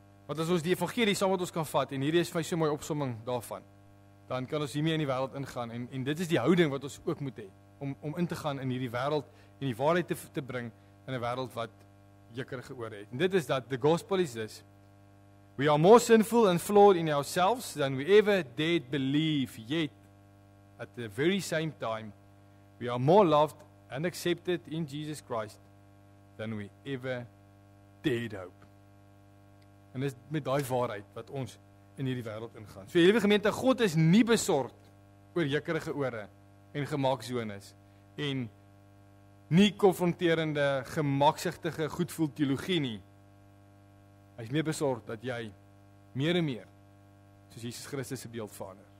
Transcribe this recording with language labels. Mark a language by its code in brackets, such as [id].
[af] Want as ons die evangelie saam met ons kan vat, en hierdie is vir my so mooi opsomming daarvan, dan kan ons hiermee in die wêreld ingaan, en dit is die houding wat ons ook moet hê, om in te gaan in hierdie wêreld, en die waarheid te bring in 'n wêreld wat jikkerige ore het. En dit is dat [en] the gospel is this. We are more sinful and flawed in ourselves than we ever did believe, yet at the very same time we are more loved and accepted in Jesus Christ than we ever did hope. [af] En dit is met daai waarheid wat ons in hierdie wêreld ingaan. So hierdie gemeente, God is nie besorgd oor jikkerige ore en gemaak zones en nie konfronterende, gemaksigtige, goedvoel theologie nie. Hy is meer besorgd dat jy meer en meer, soos Jesus Christus se beeld verander.